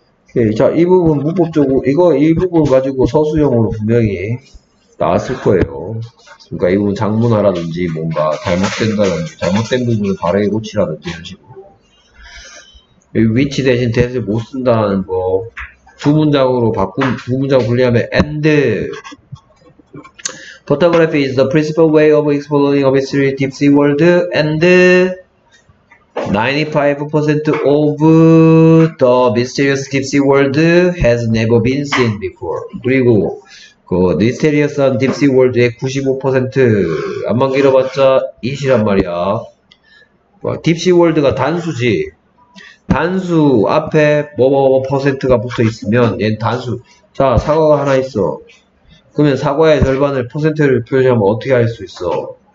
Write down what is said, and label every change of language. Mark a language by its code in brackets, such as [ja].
[ko] 오케이. 자, 이 부분 문법적으로, 이거 이 부분 가지고 서술형으로 분명히 나왔을 거예요. 그러니까 이 부분 장문화라든지 뭔가 잘못된다든지 잘못된 부분을 바르게 고치라든지 이런 식으로. 위치 대신 대시를 못 쓴다는 거. 두 문장으로 바꾼, 두 문장 분리하면 and. [en] Photography is the principal way of exploring a mystery deep sea world and 95% of the mysterious deep sea world has never been seen before. [ko] 그리고 그 미스테리어스한 딥시 월드의 95% 안만 길어봤자 이시란 말이야. 딥시 월드가 단수지. 단수 앞에 뭐뭐뭐 퍼센트가 붙어 있으면 얘는 단수. 자, 사과가 하나 있어. 그러면 사과의 절반을 퍼센트를 표시하면 어떻게 할수 있어?